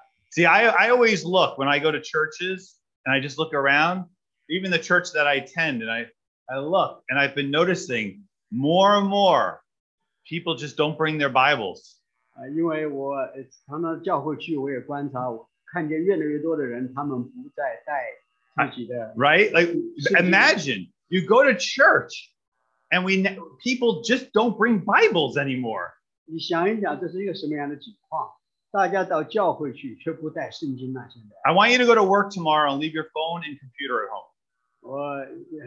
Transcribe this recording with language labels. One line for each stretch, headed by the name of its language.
English: See, I always look when I go to churches. And I just look around, even the church that I attend, and I look, and I've been noticing more and more people just don't bring their Bibles. Right? Like, imagine, you go to church, and people just don't bring Bibles anymore.
Chinese: 你想一想这是一个什么样的情况?
English: I want you to go to work tomorrow and leave your phone and computer at home.